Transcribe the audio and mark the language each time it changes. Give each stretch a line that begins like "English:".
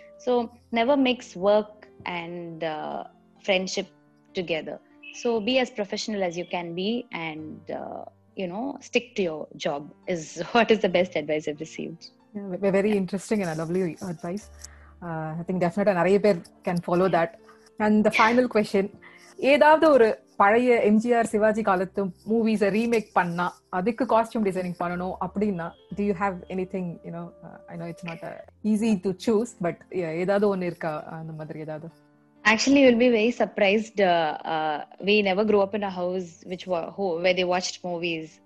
English: So never mix work and friendship together. So be as professional as you can be, and stick to your job is what is the best advice I've received. Yeah, very interesting and a lovely advice. I think definitely
Tamil: நிறைய பேர்
English: can follow that. And the final question,
Tamil: ஏதாவது ஒரு பழைய MGR Sivaji காலத்து movies remake பண்ணா அதுக்கு costume designing பண்ணணும் அப்படின்னா,
English: do you have anything, I know it's not easy to choose, but yeah,
Tamil: ஏதாவது ஒன்று இருக்கா அந்த மாதிரி ஏதாவது?
English: Actually, you'll be very surprised. We never grew up in a house where they watched movies.